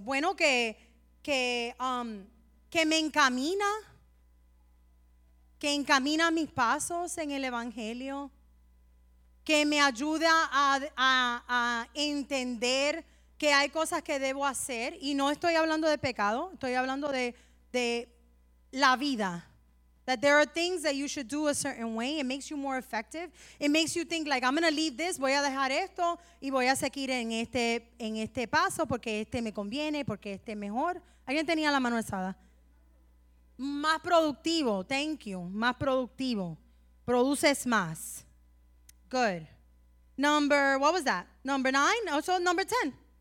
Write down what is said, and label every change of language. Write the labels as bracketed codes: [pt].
[es] Bueno, que me encamina, que encamina mis pasos en el Evangelio, que me ayuda a entender que hay cosas que debo hacer, y no estoy hablando de pecado, estoy hablando de la vida. [en] That there are things that you should do a certain way. It makes you more effective. It makes you think like, I'm going to leave this. [es] Voy a dejar esto y voy a seguir en este paso porque este me conviene, porque este mejor. ¿Alguien tenía la mano alzada? Más productivo. [en] Thank you. [es] Más productivo. Produces más. Good. [en] Number, what was that? Number 9? Also number 10?